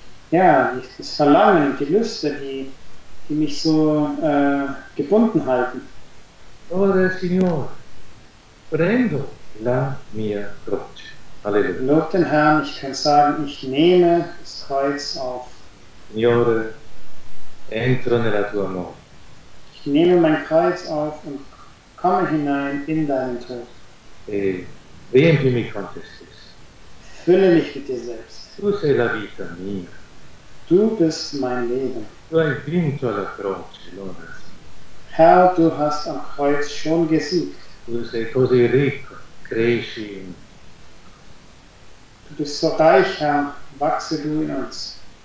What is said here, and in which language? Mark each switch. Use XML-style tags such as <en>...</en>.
<de>Ja, das Verlangen, die Lüste, die mich so gebunden halten.</de> <it>Lode, Signore, prendo la mia croce. Halleluja.</it> <de>Lob den Herrn, ich kann sagen, ich nehme das Kreuz auf.</de> <it>Signore, entro nella tua morte.</it> <de>Ich nehme mein Kreuz auf und komme hinein in deinen Tod.</de> <it>E riempimi con te stesso.</it> <de>Fülle mich mit dir selbst.</de> <it>Tu sei la vita mia.</it> <de>Du bist mein Leben.</de> <it>Tu hai vinto alla croce, Lord.</it> <de>Herr, du hast am Kreuz schon gesiegt.</de> <it>Tu sei così ricco, cresci in</it> <de>Du bist so reich, Herr, wachse du in uns.</de>